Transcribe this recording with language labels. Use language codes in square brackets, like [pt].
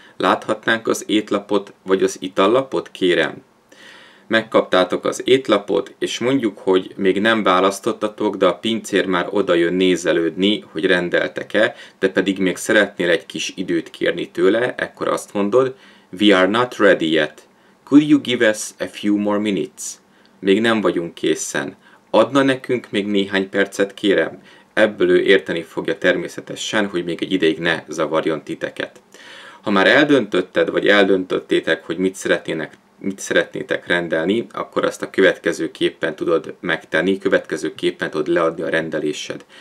[hu] Láthatnánk az étlapot, vagy az itallapot, kérem? Megkaptátok az étlapot, és mondjuk, hogy még nem választottatok, de a pincér már oda jön nézelődni, hogy rendeltek-e, de pedig még szeretnél egy kis időt kérni tőle, ekkor azt mondod, [en] we are not ready yet. Could you give us a few more minutes? [hu] Még nem vagyunk készen. Adna nekünk még néhány percet, kérem? Ebből ő érteni fogja természetesen, hogy még egy ideig ne zavarjon titeket. Ha már eldöntötted, vagy eldöntöttétek, hogy mit szeretnétek rendelni, akkor azt a következőképpen tudod megtenni, következőképpen tudod leadni a rendelésed.